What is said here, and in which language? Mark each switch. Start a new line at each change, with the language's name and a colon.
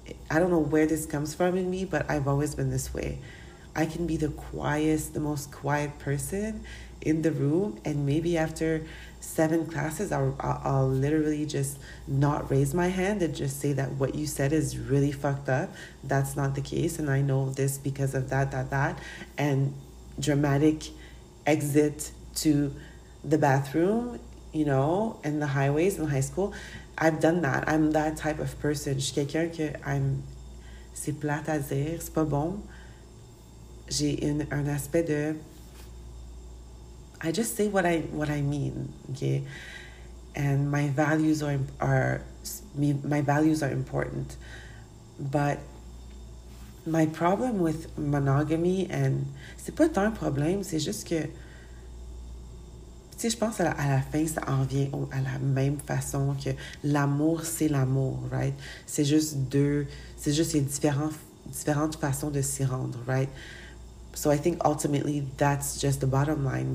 English: I don't know where this comes from in me, but I've always been this way. I can be the quietest, the most quiet person in the room, and maybe after 7 classes, I'll literally just not raise my hand and just say that what you said is really fucked up. That's not the case, and I know this because of that, and dramatic exit to the bathroom, you know, and the highways in high school. I've done that. I'm that type of person.
French: Je suis quelqu'un que c'est plate à dire, c'est pas bon. J'ai un aspect de
English: I just say what I mean, okay? And my values are important. But my problem with monogamy and
French: c'est pas tant un problème, c'est juste que tu sais, je pense à la fin ça en vient à la même façon que l'amour c'est l'amour, right? C'est juste différentes façons de s'y rendre, right?
English: So I think ultimately that's just the bottom line.